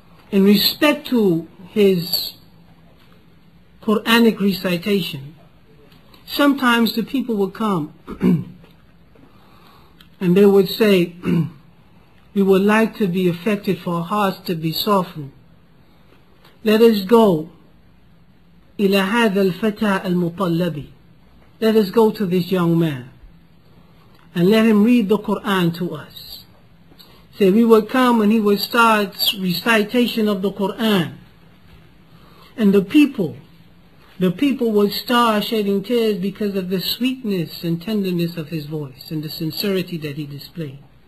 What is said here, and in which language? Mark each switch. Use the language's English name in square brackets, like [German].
[English] in respect to his Quranic recitation, sometimes the people would come and they would say, we would like to be affected for our hearts to be softened. Let us go [Arabic] إلى هذا الفتى المطلبي. [English] Let us go to this young man and let him read the Quran to us. Say, we would come and he would start recitation of the Quran. And the people would start shedding tears because of the sweetness and tenderness of his voice and the sincerity that he displayed.